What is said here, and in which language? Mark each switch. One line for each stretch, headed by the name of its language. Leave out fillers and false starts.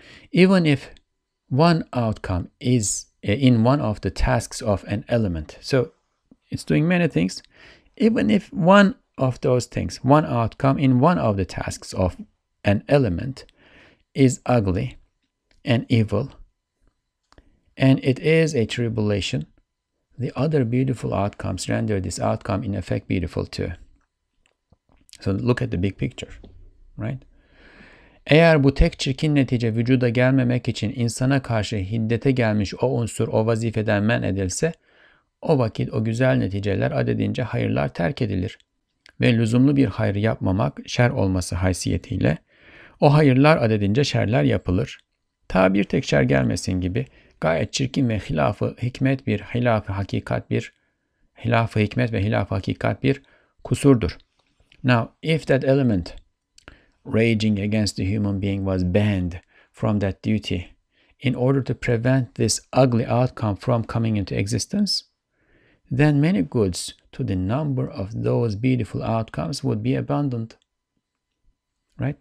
English: Even if one outcome is in one of the tasks of an element, so it's doing many things, even if one of those things, one outcome in one of the tasks of an element is ugly and evil, and it is a tribulation, the other beautiful outcomes render this outcome in effect beautiful too. So look at the big picture, right?
Turkish: Eğer bu tek çirkin netice vücuda gelmemek için insana karşı hiddete gelmiş o unsur o vazifeden men edilse, o vakit o güzel neticeler adedince hayırlar terk edilir. Ve lüzumlu bir hayır yapmamak şer olması haysiyetiyle, o hayırlar adedince şerler yapılır. Ta bir tek şer gelmesin gibi, gayet çirkin ve hilaf-ı hikmet bir, hilaf-ı hakikat bir, hilaf-ı hikmet ve hilaf-ı hakikat bir kusurdur.
English: Now, if that element raging against the human being was banned from that duty in order to prevent this ugly outcome from coming into existence, then many goods to the number of those beautiful outcomes would be abundant. Right?